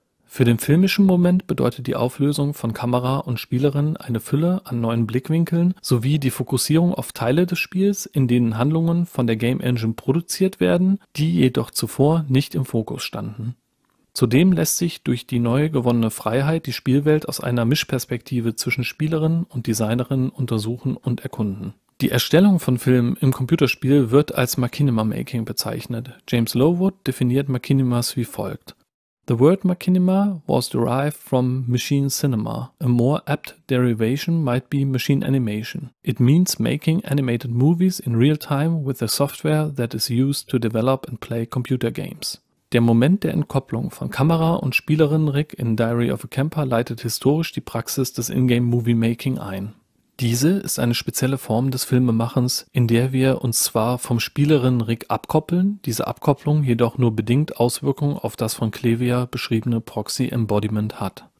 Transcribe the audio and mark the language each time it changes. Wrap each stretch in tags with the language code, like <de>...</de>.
<de>Für den filmischen Moment bedeutet die Auflösung von Kamera und Spielerin eine Fülle an neuen Blickwinkeln sowie die Fokussierung auf Teile des Spiels, in denen Handlungen von der Game Engine produziert werden, die jedoch zuvor nicht im Fokus standen. Zudem lässt sich durch die neu gewonnene Freiheit die Spielwelt aus einer Mischperspektive zwischen Spielerin und Designerin untersuchen und erkunden. Die Erstellung von Filmen im Computerspiel wird als Machinima-Making bezeichnet. James Lowood definiert Machinimas wie folgt.</de> <en>The word machinima was derived from machine cinema. A more apt derivation might be machine animation. It means making animated movies in real time with the software that is used to develop and play computer games.</en> <de>Der Moment der Entkopplung von Kamera und Spielerinnen-Rig in Diary of a Camper leitet historisch die Praxis des In-Game-Movie-Making ein. Diese ist eine spezielle Form des Filmemachens, in der wir uns zwar vom Spielerinnen-Rig abkoppeln, diese Abkopplung jedoch nur bedingt Auswirkungen auf das von Clevia beschriebene Proxy-Embodiment hat.</de>